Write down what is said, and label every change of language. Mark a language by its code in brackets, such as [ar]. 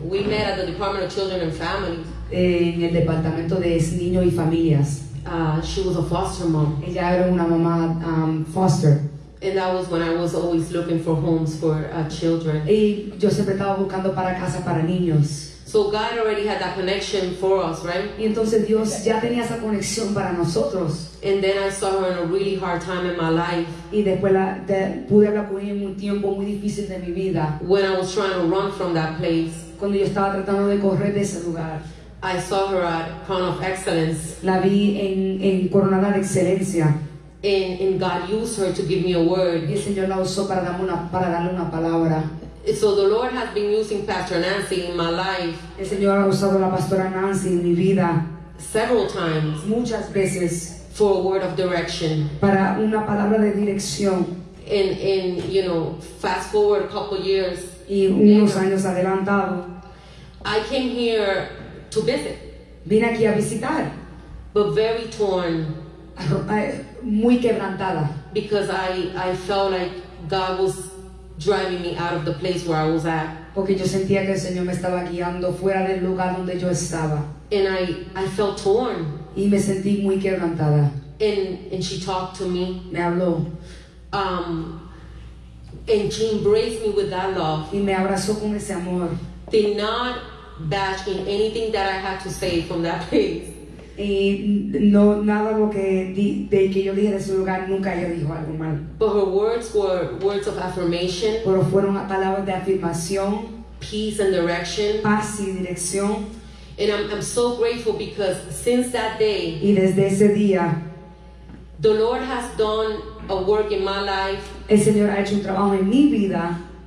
[en] We met at the Department of Children and Families. [es] En el departamento de niños y familias. [en] She was a foster mom. [es] Ella era una mamá foster. [en] And that was when I was always looking for homes for children. [es] Y yo siempre estaba buscando para casa para niños. [en] So God already had that connection for us, right? [es] Y entonces Dios ya tenía esa conexión para nosotros. [en] And then I saw her in a really hard time in my life. [es] Y después pude hablar con ella en un tiempo muy difícil de mi vida. [en] When I was trying to run from that place. [es] Cuando yo estaba tratando de correr de ese lugar. [en] I saw her at Crown of Excellence. [es] La vi en Coronada de Excelencia. [en] And God used her to give me a word. [es] Y el Señor la usó para darle una palabra. [en] So the Lord has been using Pastor Nancy in my life. [es] El Señor ha usado la pastora Nancy en mi vida [en] several times. [es] Muchas veces. [en] For a word of direction. [es] Para una palabra de dirección. [en] And you know, fast forward a couple years. [es] Y unos later, años adelantado. [en] I came here to visit. [es] Vine aquí a visitar. [en] But very torn. [es] Muy quebrantada. [en] Because I felt like God was driving me out of the place where I was at. [es] Porque yo sentía que el Señor me estaba guiando fuera del lugar donde yo estaba. [en] And I felt torn. [es] Y me sentí muy quebrantada. [en] And she talked to me. [es] Me habló. [en] And she embraced me with that love. [es] Y me abrazó con ese amor. [en] Did not bash in anything that I had to say from that place. [es] Y no, nada lo que de que yo dije de su lugar, nunca ella dijo algo mal. [en] But her words were words of affirmation. [es] Pero fueron palabras de afirmación. [en] Peace and direction. [es] Paz y dirección. [en] And I'm so grateful because since that day, [es] y desde ese día, [en] the Lord has done a work in my life. [es] El Señor ha hecho un trabajo en mi vida.